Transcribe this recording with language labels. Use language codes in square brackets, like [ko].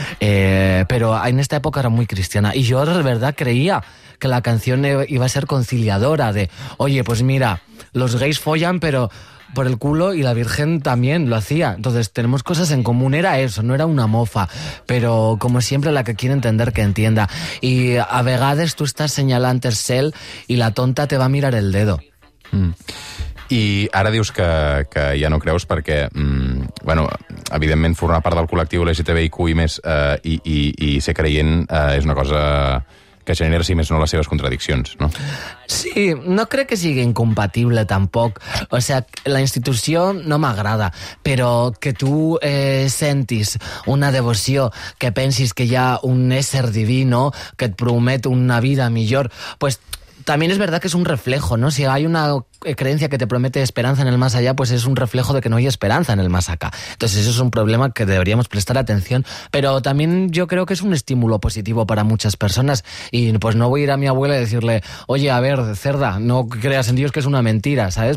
[es] pero en esta época era muy cristiana y yo de verdad creía que la canción iba a ser conciliadora de, oye, pues mira, los gays follan, pero por el culo, y la Virgen también lo hacía. Entonces, tenemos cosas en común, era eso, no era una mofa, pero como siempre la que quiere entender que entienda. Y [ca] a vegades [es] tú estás señalando el cel y la tonta te va a mirar el dedo. Mm. [ca] I ara dius que ja no creus perquè, bueno, evidentment formar part del col·lectiu LGTBIQ i més i ser creient és una cosa que genera, si més no, les seves contradiccions, no? Sí, no crec que sigui incompatible tampoc. O sea, la institució no m'agrada, però que tu sentis una devoció, que pensis que hi ha un ésser diví, no?, que et promet una vida millor, pues... [es] También es verdad que es un reflejo, ¿no? Si hay una creencia que te promete esperanza en el más allá, pues es un reflejo de que no hay esperanza en el más acá. Entonces eso es un problema que deberíamos prestar atención. Pero también yo creo que es un estímulo positivo para muchas personas. Y pues no voy a ir a mi abuela y decirle, oye, a ver, cerda, no creas en Dios, que es una mentira, ¿sabes?